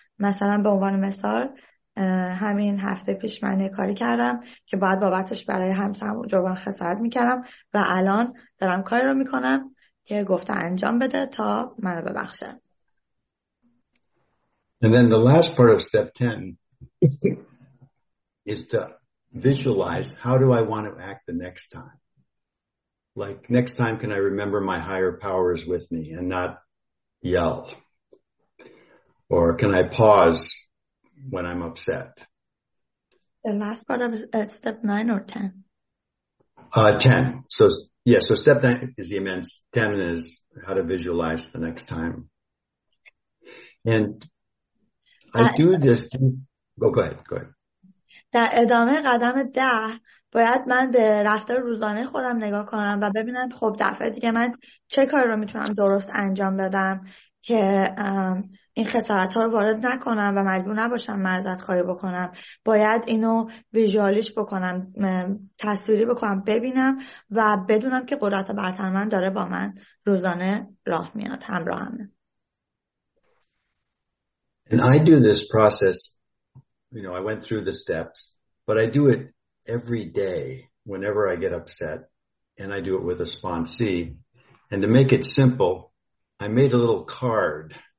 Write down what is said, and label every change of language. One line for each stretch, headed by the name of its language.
Persian: مثلا به عنوان مثال همین هفته پیش من یه کاری کردم که باید بابتش برای همسرم جبران خسارت میکردم و الان دارم کاری رو میکنم که گفته انجام بده تا منو ببخشه.
English: And then the last part of step 10 is to visualize, how do I want to act the next time? Like, next time, can I remember my higher power is with me and not yell? Or can I pause when I'm upset? The last part of step 9 or 10? 10. So, yeah, so step 9 is the amends. 10 is how to visualize the next time. And I do this. Go ahead.
Persian: در ادامه قدم 10 باید من به رفتار روزانه خودم نگاه کنم و ببینم خب دفعه دیگه من چه کاری رو میتونم درست انجام بدم که این خسارت ها رو وارد نکنم و مجبور نباشم معذرت خواهی بکنم. باید اینو ویژوالیش بکنم، تصویری بکنم، ببینم و بدونم که قدرت برتر من داره با من روزانه راه میاد، همراه همه.
English: And I do this process, you know, I went through the steps, but I do it every day whenever I get upset, and I do it with a sponsee. And to make it simple, I made a little card.